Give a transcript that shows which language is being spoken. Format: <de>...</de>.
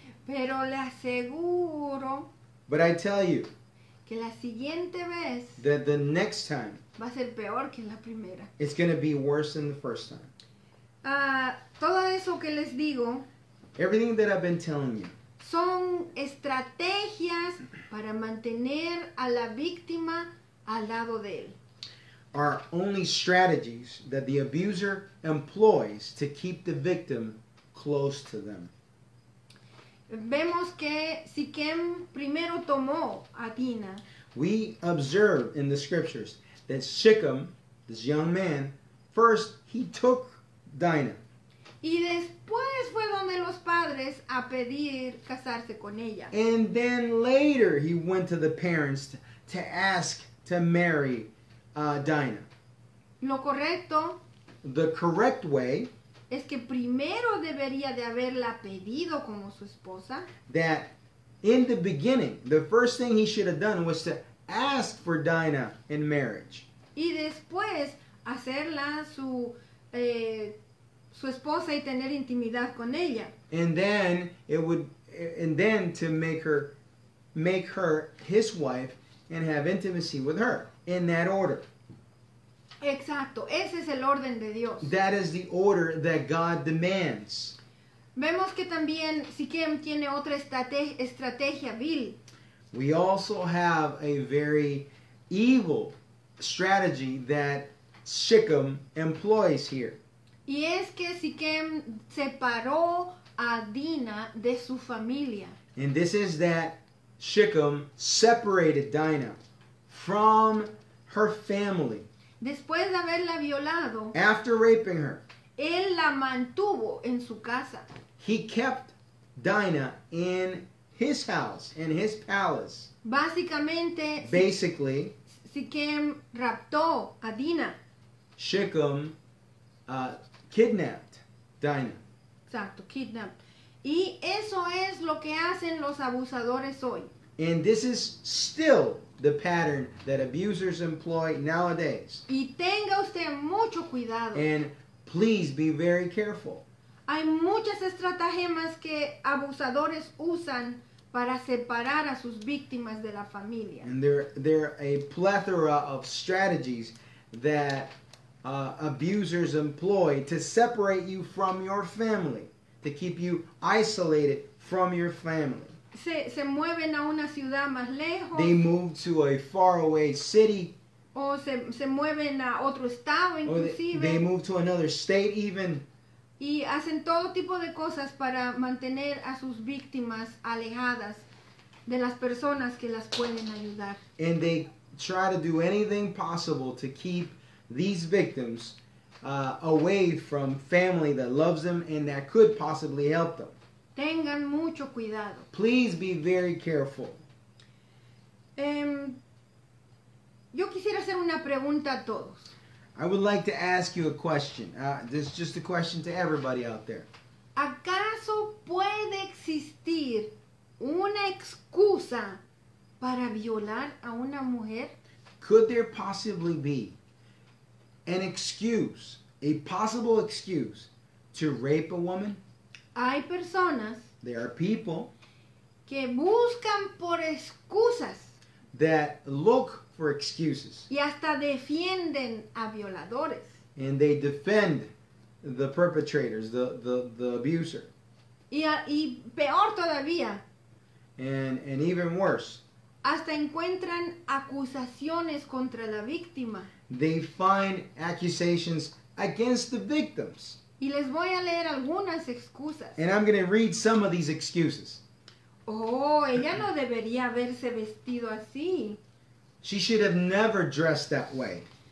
<es>Pero le aseguro.</es> <en>But I tell you</en> <es>que la siguiente vez,</es> <en>that the next time</en> <es>va a ser peor que la primera.</es> <en>It's going to be worse than the first time.</en> <es>Todo eso que les digo,</es> <en>everything that I've been telling you</en> <es>son estrategias para mantener a la víctima al lado de él.</es> <en>Are only strategies that the abuser employs to keep the victim close to them.</en> <es>Vemos que Siquem primero tomó a Dina.</es> <en>We observe in the scriptures that Siquem, this young man, first he took Dina.</en> <es>Y después fue donde los padres a pedir casarse con ella.</es> <en>And then later he went to the parents to ask to marry Dina.</en> <es>Lo correcto.</es> <en>The correct way.</en> <es>Es que primero debería de haberla pedido como su esposa.</es> <en>That in the beginning, the first thing he should have done was to ask for Dina in marriage.</en> <es>Y después hacerla su su esposa y tener intimidad con ella.</es> <en>And then to make her his wife and have intimacy with her in that order.</en> <es>Exacto, ese es el orden de Dios.</es> <en>That is the order that God demands.</en> <es>Vemos que también Siquem tiene otra estrategia vil.</es> <en>We also have a very evil strategy that Siquem employs here.</en> <es>Y es que Siquem separó a Dina de su familia.</es> <en>And this is that Siquem separated Dina from her family.</en> <es>Después de haberla violado,</es> <en>after raping her,</en> <es>él la mantuvo en su casa.</es> <en>He kept Dinah in his house, in his palace.</en> <es>Básicamente,</es> <en>basically,</en> <es>Siquem raptó a Dinah.</es> <en>Siquem kidnapped Dinah.</en> <es>Exacto, kidnapped. Y eso es lo que hacen los abusadores hoy.</es> <en>And this is still the pattern that abusers employ nowadays.</en> <es>Y tenga usted mucho cuidado.</es> <en>And please be very careful.</en> <es>Hay muchas estratagemas que abusadores usan para separar a sus víctimas de la familia.</es> <en>And there are a plethora of strategies that abusers employ to separate you from your family, to keep you isolated from your family.</en> <es>Se mueven a una ciudad más lejos.</es> <en>They move to a faraway city.</en> <es>O se mueven a otro estado, inclusive.</es> <en>They move to another state, even.</en> <es>Y hacen todo tipo de cosas para mantener a sus víctimas alejadas de las personas que las pueden ayudar.</es> <en>And they try to do anything possible to keep these victims away from family that loves them and that could possibly help them.</en> <es>Tengan mucho cuidado.</es> <en>Please be very careful.</en> <es>Yo quisiera hacer una pregunta a todos.</es> <en>I would like to ask you a question. This is just a question to everybody out there.</en> <es>¿Acaso puede existir una excusa para violar a una mujer?</es> <en>Could there possibly be an excuse, a possible excuse, to rape a woman?</en> <es>Hay personas.</es> <en>There are people.</en> <es>Que buscan por excusas.</es> <en>That look for excuses.</en> <es>Y hasta defienden a violadores.</es> <en>And they defend the perpetrators, the abuser.</en> <es>Y peor todavía.</es> <en>And even worse.</en> <es>Hasta encuentran acusaciones contra la víctima.</es> <en>They find accusations against the victims.</en> <es>Y les voy a leer algunas excusas.</es> <en>And I'm going to read some of these excuses.</en> <es>Oh, ella no debería haberse vestido así.</es> <en>She should have never dressed that way.</en>